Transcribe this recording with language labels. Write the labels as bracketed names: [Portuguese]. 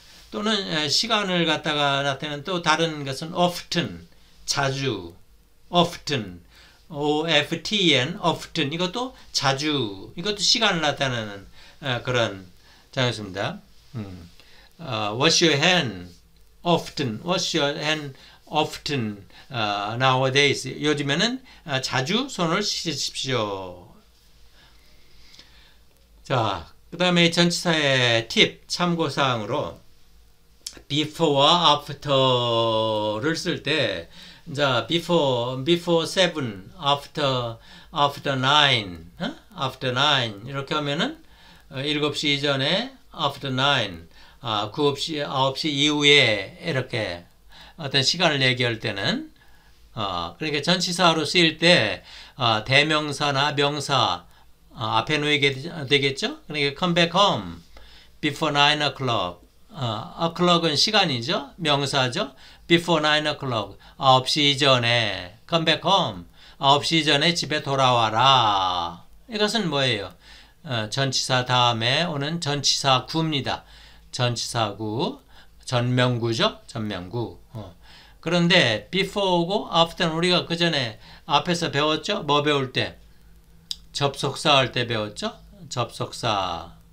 [Korean] 또는 시간을 갖다가 나타내는 또 다른 것은 often, 자주, often, OFTEN, often, 이것도 자주, 이것도 시간을 나타내는 그런 장소입니다. [English] Wash your hand often, wash your hand often, nowadays. [Korean] 요즘에는 자주 손을 씻으십시오. 자, 그 다음에 전치사의 팁, 참고사항으로 before와 after를 쓸 때, 자, [English] before 7, after 9, [Korean] 이렇게 하면은, 7시 이전에, [English] after 9, [Korean] 9시, 9시 이후에, 이렇게 어떤 시간을 얘기할 때는, 그러니까 전치사로 쓰일 때, 대명사나 명사, 앞에 놓이게 되겠죠? 그러니까 [English] come back home before 9 o'clock. [Korean] o'clock은 시간이죠. 명사죠. [English] before 9 o'clock. [Korean] 9시 이전에, [English] come back home. [Korean] 9시 이전에 집에 돌아와라. 이것은 뭐예요? 전치사 다음에 오는 전치사구입니다. 전치사구, 전명구죠. 전명구. 그런데 before고 after는 우리가 그 전에 앞에서 배웠죠. 뭐 배울 때? 접속사 할때 배웠죠. 접속사.